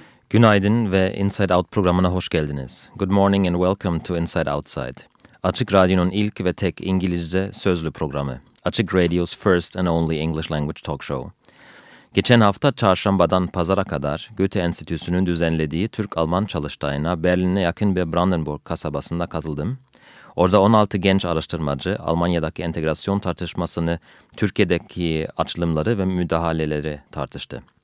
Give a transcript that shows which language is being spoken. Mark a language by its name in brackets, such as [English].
[Turkish] Günaydın ve Inside Out programına hoş geldiniz. [English] Good morning and welcome to Inside Outside. [Turkish] Açık Radyo'nun ilk ve tek İngilizce sözlü programı. [English] Açık Radio's first and only English language talk show. [Turkish] Geçen hafta çarşambadan pazara kadar Goethe Enstitüsü'nün düzenlediği Türk-Alman çalıştayına Berlin'e yakın bir Brandenburg kasabasında katıldım. Orada 16 genç araştırmacı Almanya'daki entegrasyon tartışmasını, Türkiye'deki açılımları ve müdahaleleri tartıştı.